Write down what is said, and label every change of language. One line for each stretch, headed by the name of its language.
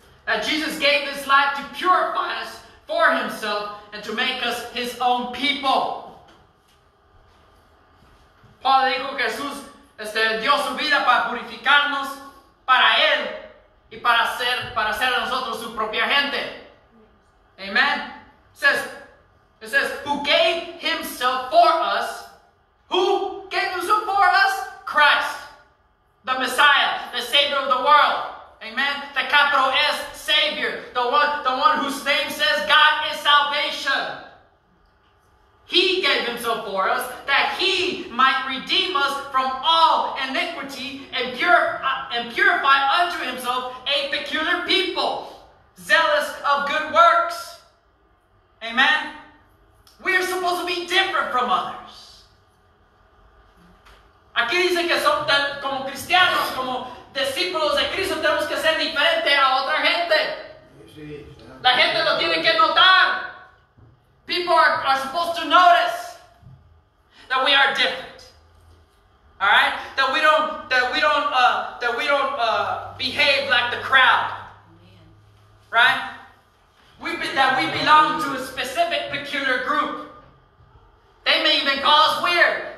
English: That Jesus gave his life to purify us for himself and to make us his own people.
Spanish: Pablo le dijo que Jesús dio su vida para purificarnos para él y para hacer a nosotros su propia gente.
English: Amen. It says, who gave himself for us. Who gave himself for us? Christ, the Messiah, the Savior of the world. Amen. The capital S, Savior, the one whose name says God is salvation. He gave himself for us that he might redeem us from all iniquity and purify unto himself a peculiar people, zealous of good works. Amen. We are supposed to be different from others.
Spanish: Aquí dice que como cristianos, como discípulos de Cristo, tenemos que ser diferentes a otra gente. La gente lo tiene que notar.
English: People are supposed to notice that we are different. All right? That we don't behave like the crowd. Right? That we belong to a specific, peculiar group. They may even call us weird.